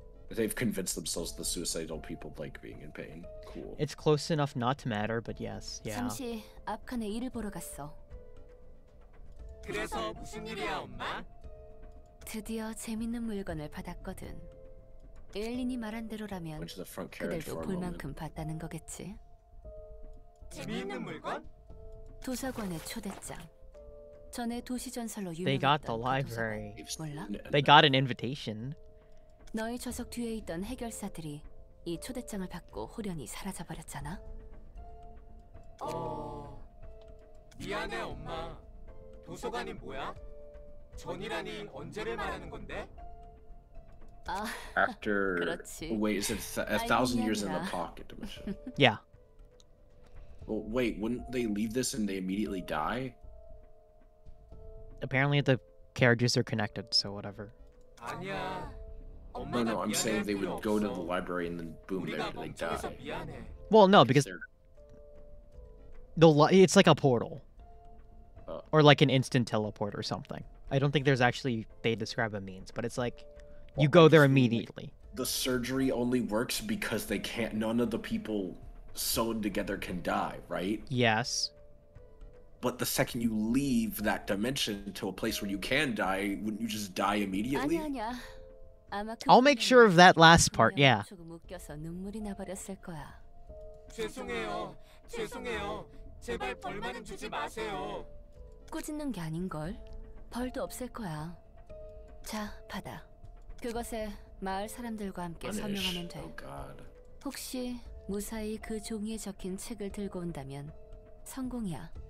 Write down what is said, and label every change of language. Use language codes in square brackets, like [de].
[en] They've convinced themselves the suicidal people like being in pain. Cool. It's close enough not to matter, but yes. Yeah. [ko] 잠시 앞칸에 일을 보러 갔어. 그래서 무슨 일이야, 엄마? 드디어 재밌는 물건을 받았거든. 엘린이 말한 대로라면 그들도 볼 만큼 봤다는 거겠지. 재밌는 물건? 도서관의 초대장. 전에 도시 전설로 유명했던 그 도서관. [en] They got an invitation. [ko] 너의 좌석 뒤에 있던 해결사들이 이 초대장을 받고 호련히 사라져버렸잖아. 미안해 엄마. 도서관이 뭐야? 전이라니 언제를 말하는 건데? [en] After, [ko] 그렇지. [en] Wait, is it a thousand years in the pocket dimension? Yeah. Well, wait, wouldn't they leave this and they immediately die? Apparently the carriages are connected, so whatever. [ko] 아니야. [en] No, no, I'm saying they would go to the library and then boom, they die. Well, no, because it's like a portal. Or like an instant teleport or something. I don't think there's actually, they describe a means, but it's like, you go there immediately. The surgery only works because they can't, none of the people sewn together can die, right? Yes. But the second you leave that dimension to a place where you can die, wouldn't you just die immediately? I'll make sure of that last part, yeah. [ko] 묶여서 눈물이 나버렸을 거야. 죄송해요. 죄송해요. 제발 벌만은 주지 마세요. 꾸짖는 게 아닌걸. 벌도 없을 거야. 자, 받아. 그것에 마을 사람들과 함께 서명하면 돼. 혹시 무사히 그 종이에 적힌 책을 들고 온다면 성공이야.